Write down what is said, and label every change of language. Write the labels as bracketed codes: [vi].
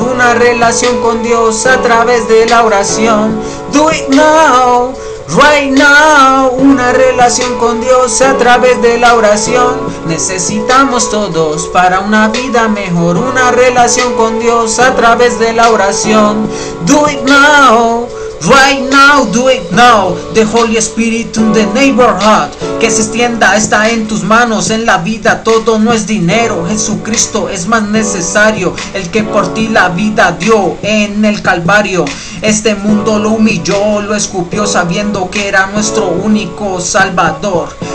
[es] Una relación con Dios a través de la oración. [en] Do it now. Right now, [es] una relación con Dios a través de la oración. Necesitamos todos para una vida mejor. Una relación con Dios a través de la oración. [en] Do it now. Right now, do it now. The Holy Spirit in the neighborhood. [es] Que se extienda, está en tus manos. En la vida todo no es dinero. Jesucristo es más necesario. El que por ti la vida dio en el Calvario. Este mundo lo humilló, lo escupió, sabiendo que era nuestro único Salvador.